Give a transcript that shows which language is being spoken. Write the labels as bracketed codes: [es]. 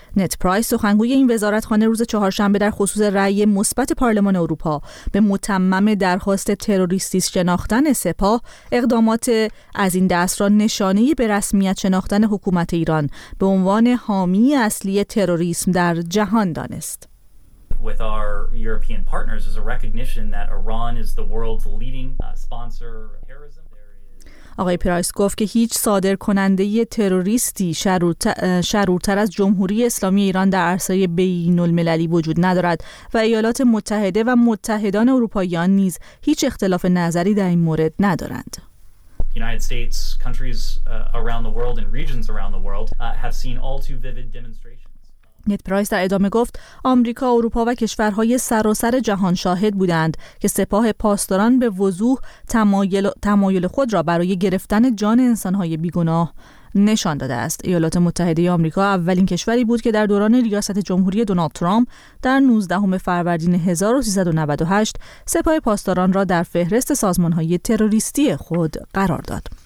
[fa] نت پرایس سخنگوی این وزارتخانه روز چهارشنبه در خصوص رأی مثبت پارلمان اروپا به متمم درخواست تروریستی شناختن سپاه، اقدامات از این دست را نشانه به رسمیت شناختن حکومت ایران به عنوان حامی اصلی تروریسم در جهان دانست. [en] With our European partners is a recognition that Iran is the world's leading sponsor of terrorism. [fa] آقای پرایس گفت که هیچ صادر کننده تروریستی شرورتر از جمهوری اسلامی ایران در عرصه بین المللی وجود ندارد و ایالات متحده و متحدان اروپاییان نیز هیچ اختلاف نظری در این مورد ندارند. [en] United States countries around the world and regions around the world have seen all too vivid demonstrations. [fa] نت پرایس در ادامه گفت آمریکا، اروپا و کشورهای سراسر جهان شاهد بودند که سپاه پاسداران به وضوح تمایل خود را برای گرفتن جان انسانهای بیگناه نشان داده است. ایالات متحده آمریکا اولین کشوری بود که در دوران ریاست جمهوری دونالد ترامپ در 19 فروردین 1398 سپاه پاسداران را در فهرست سازمانهای تروریستی خود قرار داد.